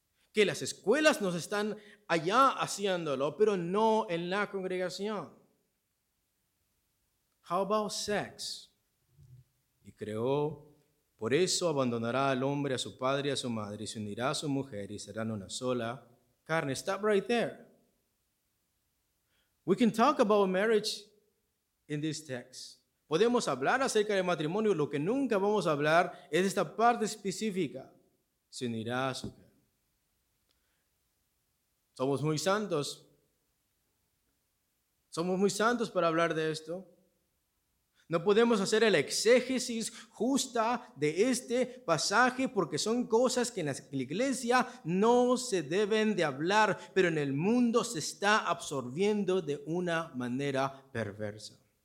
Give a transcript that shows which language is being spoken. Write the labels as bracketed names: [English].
[Spanish] Que las escuelas nos están allá haciéndolo, pero no en la congregación. [English] How about sex? [Spanish] Y creó, por eso abandonará al hombre a su padre y a su madre, y se unirá a su mujer y serán una sola carne. [English] Stop right there. We can talk about marriage in this text. [Spanish] Podemos hablar acerca del matrimonio, lo que nunca vamos a hablar es esta parte específica. Se unirá a su mujer. Somos muy santos. Somos muy santos para hablar de esto. No podemos hacer el exégesis justa de este pasaje porque son cosas que en la iglesia no se deben de hablar, pero en el mundo se está absorbiendo de una manera perversa.